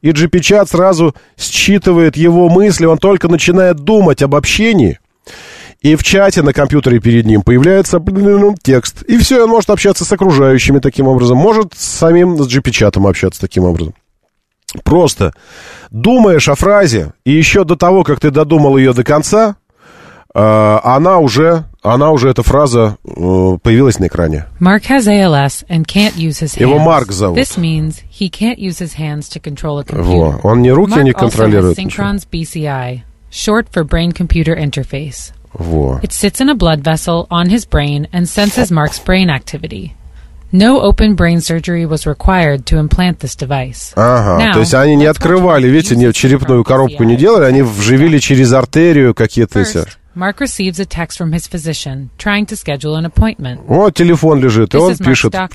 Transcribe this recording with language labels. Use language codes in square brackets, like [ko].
[ru] И GP-чат сразу считывает его мысли, он только начинает думать об общении, и в чате на компьютере перед ним появляется текст, и все, он может общаться с окружающими таким образом, может с самим с GP-чатом общаться таким образом. Просто думаешь о фразе, и еще до того, как ты додумал ее до конца, она уже, эта фраза появилась на экране. [en] Mark has ALS and can't use his hands. [ru] Его Марк зовут. [en] This means he can't use his hands to control a computer. [ru] Во. Он ни руки [en] Mark [ru] не контролирует. [en] Mark also has Synchron's BCI, short for brain-computer interface. [ru] Во. [en] It sits in a blood vessel on his brain and senses Mark's brain activity. No open brain surgery was required to implant this device. [ru] Ага, [en] now, [ru] то есть они не открывали, видите, не черепную коробку не делали, они вживили через артерию какие-то эти... [en] Mark receives a text from his physician, trying to schedule an appointment. [ru] Вот телефон лежит, и он пишет.